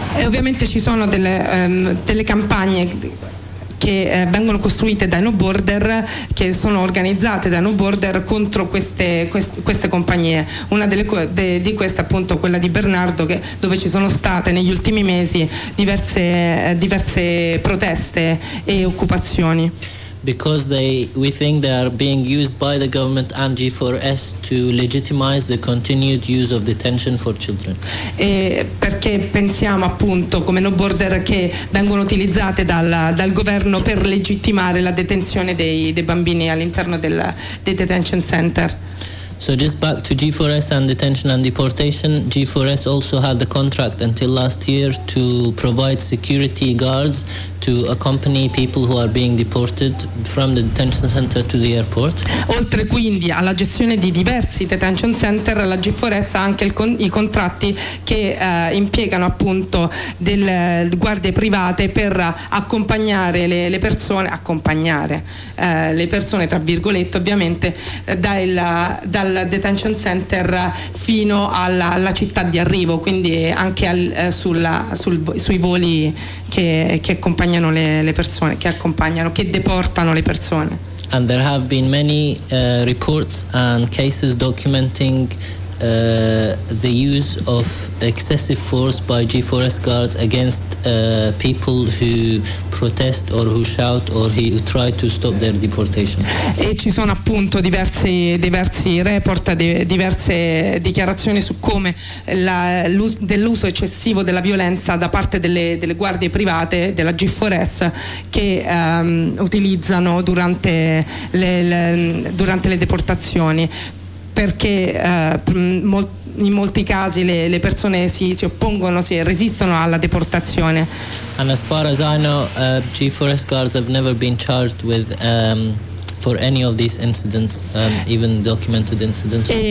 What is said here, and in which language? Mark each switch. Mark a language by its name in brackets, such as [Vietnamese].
[Italian] E ovviamente ci sono delle campagne che vengono costruite da No Border, che sono organizzate da No Border contro queste compagnie. Una di queste appunto quella di Bernardo, dove ci sono state negli ultimi mesi diverse proteste e occupazioni. [English] Because we think they are being used by the government and G4S to legitimize the continued use of detention for children. [Italian] E perché pensiamo appunto come No Border che vengono utilizzate dal governo per legittimare la detenzione dei bambini all'interno dei detention center. [English] So just back to G4S and detention and deportation, G4S also had the contract until last year to provide security guards to accompany people who are being deported from the detention center to the airport. [Italian] Oltre quindi alla gestione di diversi detention center, la G4S ha anche i contratti che impiegano appunto delle guardie private per accompagnare le persone tra virgolette ovviamente dal detention center fino alla città di arrivo, quindi anche sui voli che accompagnano le persone, che deportano le persone. [English] And there have been many reports and cases documenting the use of excessive force by G4S guards against people who protest or who shout or who try to stop their deportation. [Italian] E ci sono appunto diversi report, diverse dichiarazioni su come dell'uso eccessivo della violenza da parte delle guardie private della G4S che utilizzano durante le deportazioni. Perché in molti casi le persone si oppongono, si resistono alla deportazione. [English] And as far as I know, G4S guards have never been charged with for any of these incidents, even documented incidents.